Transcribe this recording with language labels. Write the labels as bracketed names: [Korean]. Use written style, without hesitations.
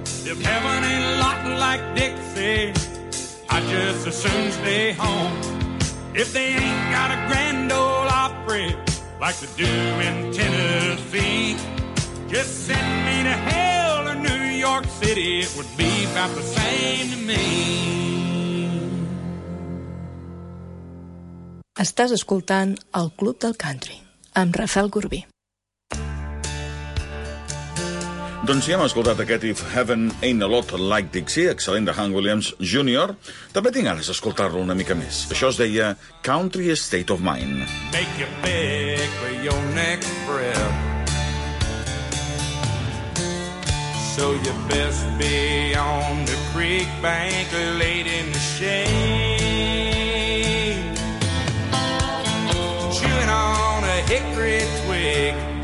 [English] If heaven ain't a lot like Dixie, I just as soon stay home. If they ain't got a grand old Opry like they do in Tennessee, just send me to hell or New York City, it would be about the same to me. [Catalan] Estàs escoltant el Club del Country amb Rafael Corbí. Doncs ja hem escoltat aquest If Heaven Ain't a Lot Like Dixie, excel·lent de Hank Williams Jr. També tinc ganes d'escoltar-lo una mica més. Això es deia Country State of Mind. [English] Make you beg for your next breath, so you best be on the creek bank laid in the shade, chewing on a hickory twig.